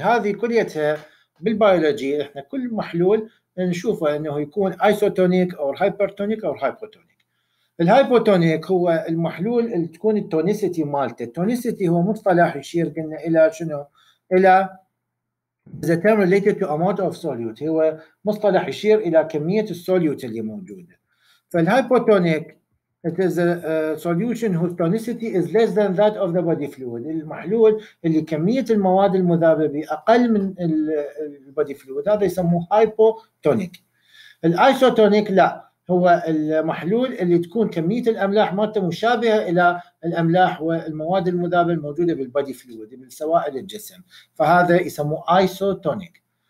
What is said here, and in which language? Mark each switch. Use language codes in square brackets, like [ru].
[ar] هذه كليتها بالبيولوجي, احنا كل محلول نشوفه انه يكون isotonic, or hypertonic, or hypotonic. الهايبوتونيك هو المحلول اللي تكون التونيسيتي مالته. التونيسيتي هو مصطلح يشير قلنا الى شنو الى the term related to amount of solute. هو مصطلح يشير الى كميه السوليوت اللي موجوده. [en] فالهايبوتونيك it is a solution whose tonicity is less than that of the body fluid. [ar] المحلول اللي كميه المواد المذابه اقل من البودي فلويد هذا يسموه هايبوتونيك. الايزوتونيك لا هو المحلول اللي تكون كمية الأملاح مالته مشابهة إلى الأملاح والمواد المذابة الموجودة بالبادي فلويد من سوائل الجسم فهذا يسموه ايسوتونيك.